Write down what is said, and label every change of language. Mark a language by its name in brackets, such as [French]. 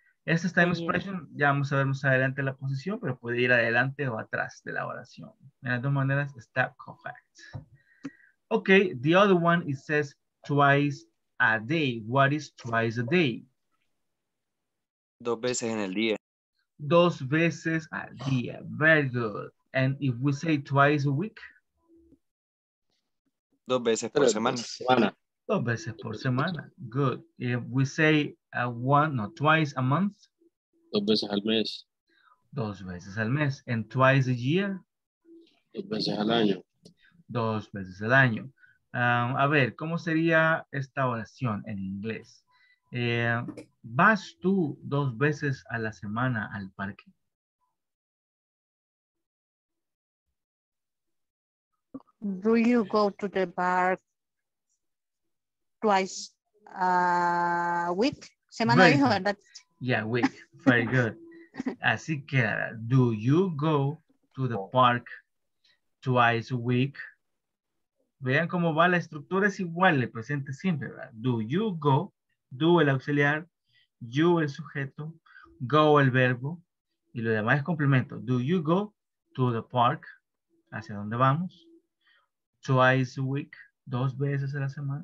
[Spanish] Esta time expression, ya vamos a ver más adelante la posición, pero puede ir adelante o atrás de la oración. De las dos maneras, está correct. [English] Ok, the other one, it says twice a day. What is twice a day? [Spanish] 2 veces en el día. 2 veces al día. [English] Very good. And if we say twice a week? [Spanish] 2 veces por semana. 2 veces por semana. [English] Good. If we say twice a month? [Spanish] 2 veces al mes. 2 veces al mes. [English] And twice a year? [Spanish] 2 veces al año. 2 veces al año. A ver, ¿cómo sería esta oración en inglés? ¿Vas tú 2 veces a la semana al parque? [English] Do you go to the park twice a week? Yeah, week. Very good. [Spanish] Así que, [English] do you go to the park twice a week. [Spanish] Vean cómo va la estructura, es igual, el presente simple, ¿verdad? [English] Do you go, [Spanish] do el auxiliar, you el sujeto, go el verbo, y lo demás es complemento. [English] Do you go to the park, [Spanish] hacia dónde vamos, [English] twice a week, [Spanish] dos veces a la semana.